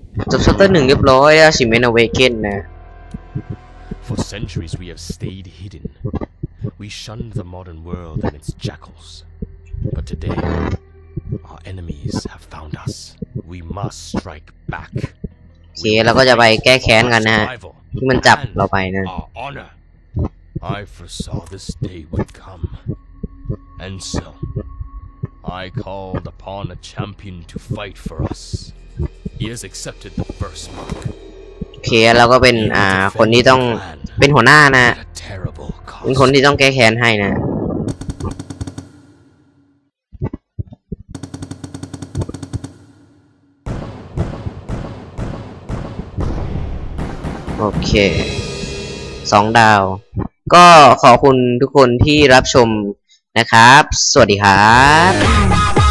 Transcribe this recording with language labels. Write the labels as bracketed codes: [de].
[th] จบชัตเตอร์1เรียบร้อยอะชิเมนอเวเกนนะ [en] For centuries we have stayed hidden We shunned the modern world and its jackals But today our enemies have found us We must strike back [th] โอเคเราก็จะไปแก้แค้นกันนะที่มันจับเราไปนะ [en] I foresaw this day would come, and so I called upon a champion to fight for us. He has accepted the first mark. [th] Okay, เราก็เป็นคนที่ต้องเป็นหัวหน้านะเป็นคนที่ต้องแก้แค้นให้นะโอเค2ดาวก็ขอบคุณทุกคนที่รับชมนะครับสวัสดีครับ